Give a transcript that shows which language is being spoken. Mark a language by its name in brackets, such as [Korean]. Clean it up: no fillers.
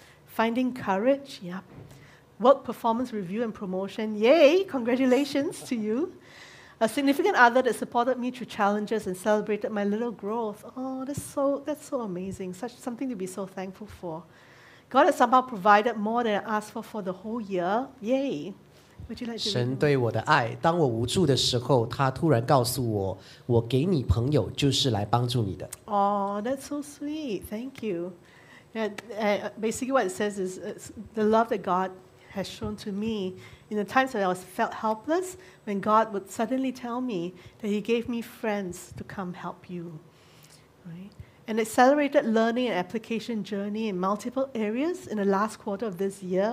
[English] Finding courage, yep. Work performance review and promotion, yay, congratulations to you. A significant other that supported me through challenges and celebrated my little growth. Oh, that's so amazing. Such something to be so thankful for. God has somehow provided more than I asked for the whole year. Yay! Would you like to? [Chinese] 神对我的爱，当我无助的时候，他突然告诉我，我给你朋友就是来帮助你的。 [English] Oh, that's so sweet. Thank you. And basically, what it says is the love that God has shown to me. In the times when I felt helpless, when God would suddenly tell me that He gave me friends to come help you. Right? An accelerated learning and application journey in multiple areas in the last quarter of this year.